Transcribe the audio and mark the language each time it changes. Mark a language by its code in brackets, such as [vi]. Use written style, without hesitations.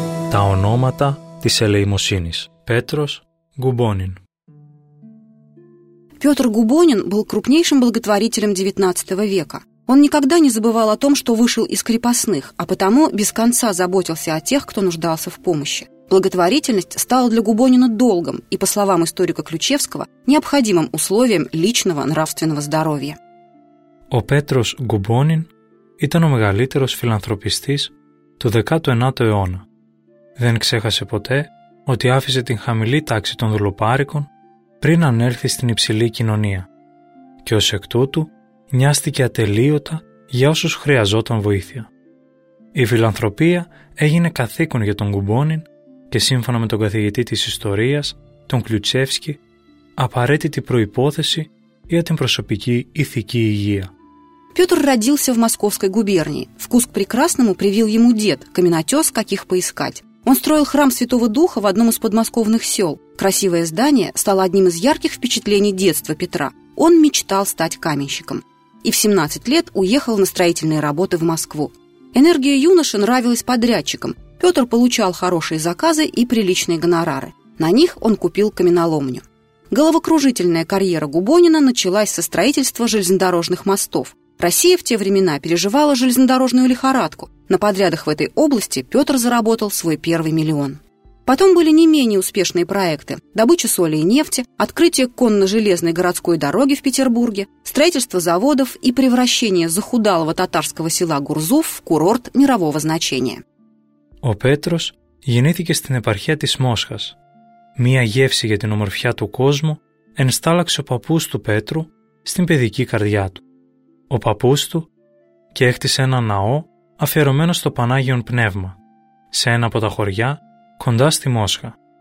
[el] Τα ονόματα της ελεημοσύνης. [ru] Петрос Губонин. Петр Губонин был крупнейшим благотворителем XIX века. Он никогда не забывал о том, что вышел из крепостных, а потому без конца заботился о тех, кто нуждался в помощи. Благотворительность стала для Губонина долгом и, по словам историка Ключевского, необходимым условием личного нравственного здоровья. [el] О Петрос Губонин ήταν ο μεγαλύτερος φιλανθρωπιστής του 19ου αιώνα. Δεν ξέχασε ποτέ ότι άφησε την χαμηλή τάξη των δουλοπάρικων πριν ανέλθει στην υψηλή κοινωνία και ως εκ τούτου νοιάστηκε ατελείωτα για όσους χρειαζόταν βοήθεια. Η φιλανθρωπία έγινε καθήκον για τον Γκουμπόνιν και σύμφωνα με τον καθηγητή της ιστορίας, τον Κλιουτσεύσκι, απαραίτητη προϋπόθεση για την προσωπική ηθική υγεία. [ru] Петр родился в Московской губернии. Вкус к прекрасному привил ему дед, каменотес, каких поискать. Он строил храм Святого Духа в одном из подмосковных сел. Красивое здание стало одним из ярких впечатлений детства Петра. Он мечтал стать каменщиком. И в 17 лет уехал на строительные работы в Москву. Энергия юноши нравилась подрядчикам. Петр получал хорошие заказы и приличные гонорары. На них он купил каменоломню. Головокружительная карьера Губонина началась со строительства железнодорожных мостов. Россия в те времена переживала железнодорожную лихорадку. На подрядах в этой области Петр заработал свой первый миллион. Потом были не менее успешные проекты – добыча соли и нефти, открытие конно-железной городской дороги в Петербурге, строительство заводов и превращение захудалого татарского села Гурзуф в курорт мирового значения. [el] О Петрос γεννήθηκε στην επαρχία της Μόσχας. Μία γεύση για την ομορφιά του κόσμου ενστάλλαξε ο παππούς του Πέτρου στην παιδική καρδιά του. Ο παππούς του και έχτισε ένα ναό αφιερωμένο στο Πανάγιον Πνεύμα, σε ένα από τα χωριά κοντά στη Μόσχα.